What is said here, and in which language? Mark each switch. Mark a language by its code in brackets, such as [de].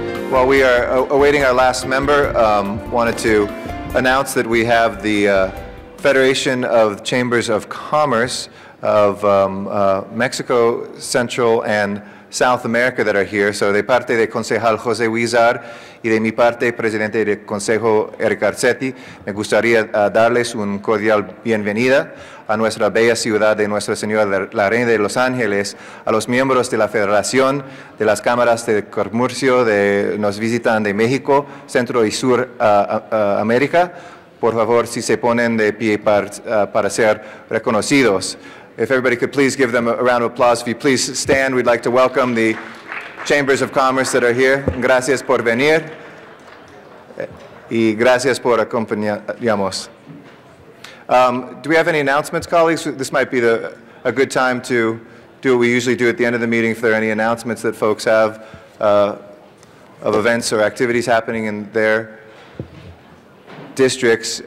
[en] While we are awaiting our last member, wanted to announce that we have the Federation of Chambers of Commerce of Mexico, Central, and South America that are here. [es] So de parte de concejal José Huizar y de mi parte, presidente del consejo Eric Arcetti, me gustaría darles un cordial bienvenida a nuestra bella ciudad de Nuestra Señora la Reina de Los Ángeles, a los miembros de la Federación de las Cámaras de Comercio que nos visitan de México, Centro y Sur América. Por favor, si se ponen de pie para ser reconocidos. [en] If everybody could please give them a round of applause. If you please stand, we'd like to welcome the Chambers of Commerce that are here. [es] Gracias por venir. Y gracias por acompañarnos. [en] Do we have any announcements, colleagues? This might be a good time to do what we usually do at the end of the meeting, if there are any announcements that folks have of events or activities happening in their districts.